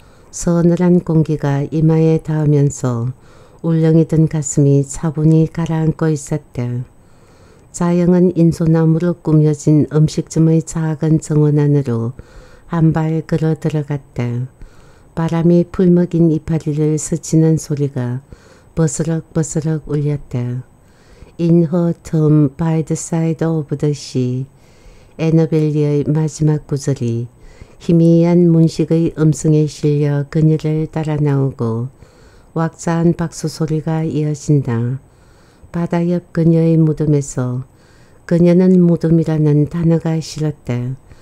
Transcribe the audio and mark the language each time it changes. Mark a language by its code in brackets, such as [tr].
[ko] 서늘한 공기가 이마에 닿으면서 울렁이던 가슴이 차분히 가라앉고 있었다. 자영은 인소나무로 꾸며진 음식점의 작은 정원 안으로 한 발 걸어 들어갔다. 바람이 풀먹인 이파리를 스치는 소리가 버스럭버스럭 울렸다. [en] In her tomb by the side of the sea. [ko] 애너벨리의 마지막 구절이 희미한 문식의 음성에 실려 그녀를 따라 나오고 왁자한 박수 소리가 이어진다. 바다 옆 그녀의 무덤에서 그녀는 무덤이라는 단어가 싫었다.